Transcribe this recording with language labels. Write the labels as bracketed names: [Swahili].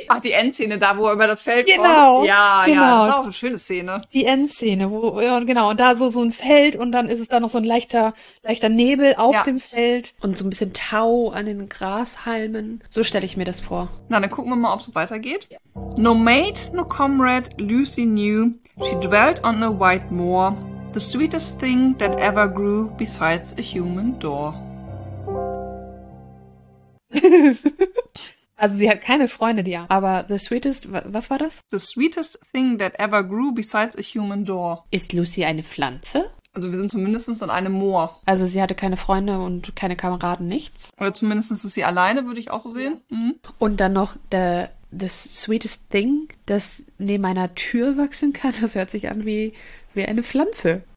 [German] Ach, die Endszene da, wo er über das Feld genau, kommt. Ja, genau. Ja, das ist auch eine schöne Szene. Die Endszene, wo, ja, genau, und da so ein Feld und dann ist es da noch so ein leichter Nebel auf dem Feld und so ein bisschen Tau an den Grashalmen. So stelle ich mir das vor. Na, dann gucken wir mal, ob es weitergeht. Ja. [English] No mate, no comrade, Lucy knew, she dwelt on a white moor, the sweetest thing that ever grew besides a human door. [German] Also sie hat keine Freunde, die ja. Aber [English] the sweetest, [German] was war das? [English] The sweetest thing that ever grew besides a human door. [German] Ist Lucy eine Pflanze? Also wir sind zumindest an einem Moor. Also sie hatte keine Freunde und keine Kameraden, nichts? Oder zumindest ist sie alleine, würde ich auch so sehen. Mhm. Und dann noch [English] the sweetest thing, [German] das neben einer Tür wachsen kann. Das hört sich an wie eine Pflanze.